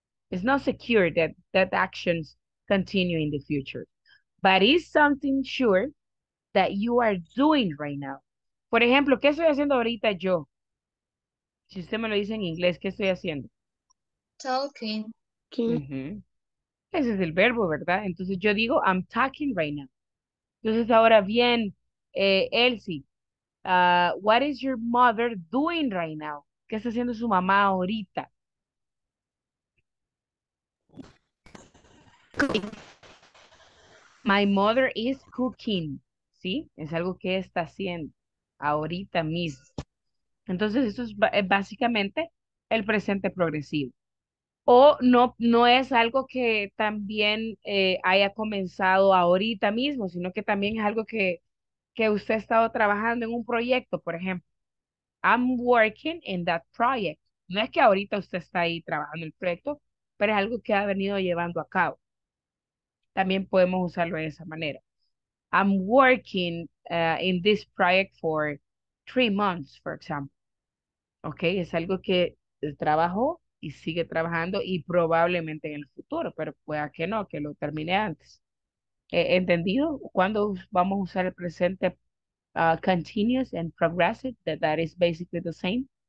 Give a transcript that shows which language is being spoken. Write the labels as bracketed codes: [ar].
[en] It's not secure that actions continue in the future. But it's something sure that you are doing right now. [es] Por ejemplo, ¿qué estoy haciendo ahorita yo? Si usted me lo dice en inglés, ¿qué estoy haciendo? [en] Talking. [es] Mm-hmm. Ese es el verbo, ¿verdad? Entonces yo digo, [en] I'm talking right now. [es] Entonces ahora bien, [en] Elsie. What is your mother doing right now? [es] ¿Qué está haciendo su mamá ahorita? [en] Cooking. My mother is cooking. [es] ¿Sí? Es algo que está haciendo ahorita mismo. Entonces, esto es básicamente el presente progresivo. O no es algo que también haya comenzado ahorita mismo, sino que también es algo que usted ha estado trabajando en un proyecto, por ejemplo. [en] I'm working in that project. [es] No es que ahorita usted está ahí trabajando en el proyecto, pero es algo que ha venido llevando a cabo. También podemos usarlo de esa manera. [en] I'm working in this project for 3 months, for example. [es] Ok, es algo que trabajó y sigue trabajando y probablemente en el futuro, pero pueda que no, que lo termine antes. ¿Entendido? ¿Cuándo vamos a usar el presente [en] continuous and progressive? That is basically the same.